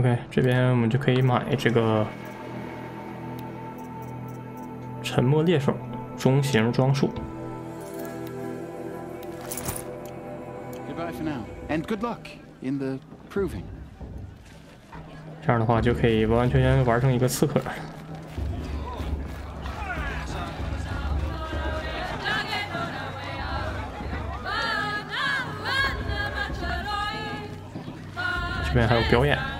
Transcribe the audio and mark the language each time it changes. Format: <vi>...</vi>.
<zh>这边我们就可以买这个沉默猎手中型装束。</zh> <en>Goodbye for now, and good luck in the proving.</en> <zh>这样的话就可以完完全全玩成一个刺客了。这边还有表演。</zh>